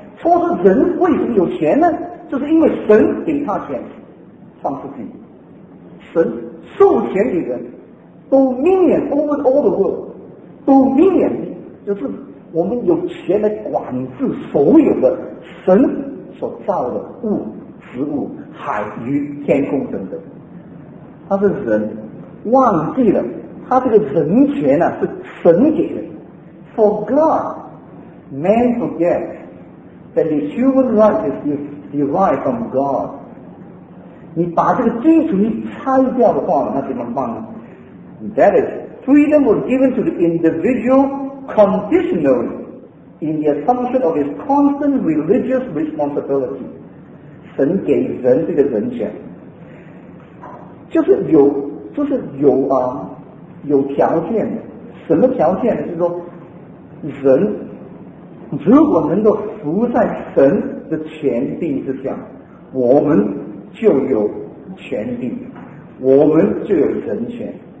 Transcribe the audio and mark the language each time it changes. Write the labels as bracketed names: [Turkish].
[Chinese] 说是人为什么有钱呢？就是因为神给他钱，放出去，神授权给人 ， [English] dominion over all the world， [Chinese] dominion 就是我们有钱来管制所有的神所造的物、植物、海鱼、天空等等。他是人，忘记了他这个人权呢、啊、是神给的。 [English] For God, man forgets that the human right is derived from God. [Chinese] 你把这个基础一拆掉的话，那怎么办呢？ [English] That is, freedom was given to the individual conditionally in the assumption of his constant religious responsibility. [Chinese] 神给人这个人权，就是有条件的。什么条件呢？就是说。人如果能够服在神的权柄之下，我们就有权柄，我们就有人权。